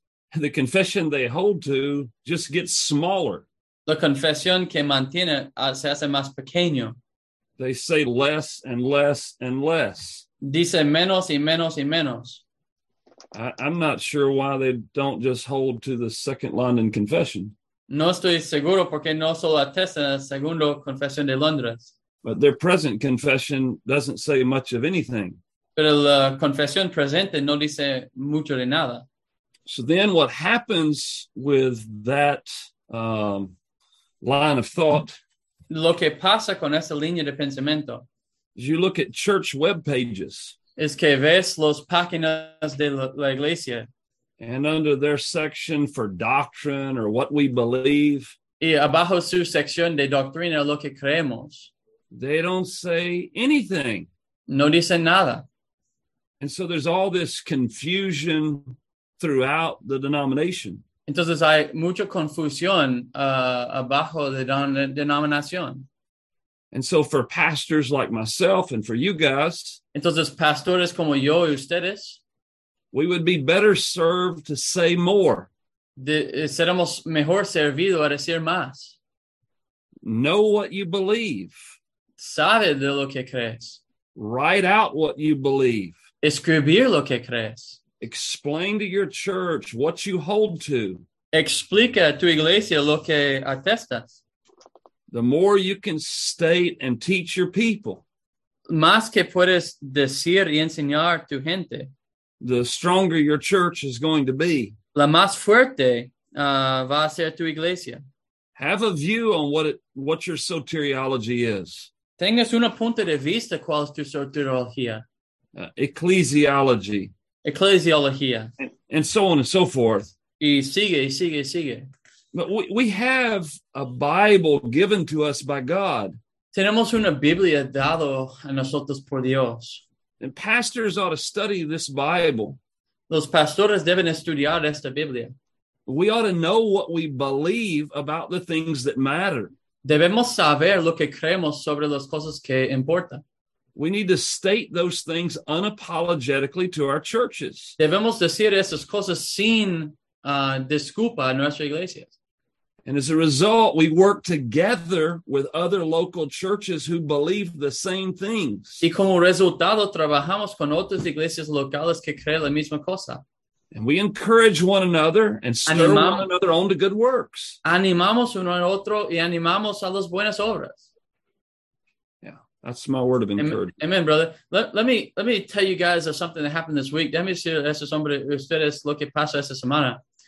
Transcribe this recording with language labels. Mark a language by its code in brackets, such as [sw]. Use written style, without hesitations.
[en] The confession they hold to just gets smaller. [es] La confesión que mantiene se hace más pequeño. [en] They say less and less and less. [es] Dice menos y menos y menos. [en] I'm not sure why they don't just hold to the second London confession. [es] No estoy seguro porque no solo atestan la segunda confesión de Londres. [en] But their present confession doesn't say much of anything. [es] Pero la confesión presente no dice mucho de nada. [en] So then what happens with that line of thought? [es] Lo que pasa con esa línea de pensamiento. [en] Is you look at church web pages. [es] Es que ves los páginas de la iglesia. [en] And under their section for doctrine or what we believe. [es] Y abajo su sección de doctrina, lo que creemos. [en] They don't say anything. [es] No dicen nada. [en] And so there's all this confusion throughout the denomination. [es] Entonces hay mucha confusión abajo de la denominación. [en] And so for pastors like myself and for you guys. [es] Entonces pastores como yo y ustedes. [en] We would be better served to say more. [es] Seremos mejor servido a decir más. [en] Know what you believe. [es] Sabe de lo que crees. [en] Write out what you believe. [es] Escribir lo que crees. [en] Explain to your church what you hold to. [es] Explica a tu iglesia lo que atestas. [en] The more you can state and teach your people. [es] Más que puedes decir y enseñar tu gente. [en] The stronger your church is going to be. [es] La más fuerte va a ser tu iglesia. [en] Have a view on what your soteriology is. [es] Tengas una punta de vista cuál es tu soteriología. [en] Ecclesiology. [es] Ecclesiología. [en] And so on and so forth. [es] Y sigue, sigue, sigue. [en] But we have a Bible given to us by God. [es] Tenemos una Biblia dado a nosotros por Dios. [en] And pastors ought to study this Bible. [es] Los pastores deben estudiar esta Biblia. [en] We ought to know what we believe about the things that matter. [es] Debemos saber lo que creemos sobre las cosas que importan. [en] We need to state those things unapologetically to our churches. [es] Debemos decir esas cosas sin disculpa a nuestras iglesias. [en] And as a result, we work together with other local churches who believe the same things. [es] Y como resultado, trabajamos con otras iglesias locales que creen la misma cosa. [en] And we encourage one another and stir one another on to good works. [es] Animamos uno al otro y animamos a las buenas obras. [en] Yeah, that's my word of encouragement. Amen, brother. Let me tell you guys of something that happened this week. [es] Déjame decir a ustedes lo que pasó esta semana.